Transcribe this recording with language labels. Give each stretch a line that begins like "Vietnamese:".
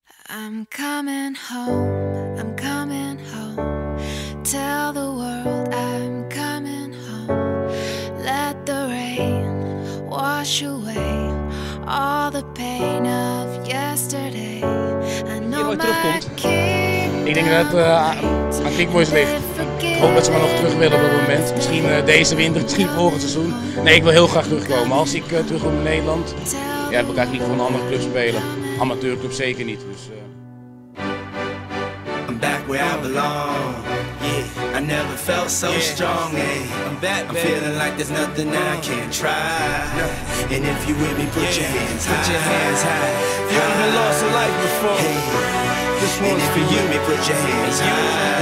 English: I'm coming home, I'm coming home. Tell the world I'm coming home. Let the rain wash away all the pain of yesterday. I know my kingdom.
Dutch: Ik denk dat aan Kickboys ligt. Ik hoop dat ze me nog terug willen op dat moment. Misschien deze winter, misschien volgend seizoen. Nee, ik wil heel graag terugkomen. Als ik terug wil in Nederland, ja, heb ik eigenlijk niet voor een andere club spelen. Amateurclub zeker niet.
English: Dus, I'm back where I belong. Yeah, I never felt so strong. Yeah. I'm back, I'm feeling like there's nothing I can't try. Yeah. And if you with me, put your hands high. Put your hands high. You haven't lost a life before. Hey. This one's for you, me put your hands high.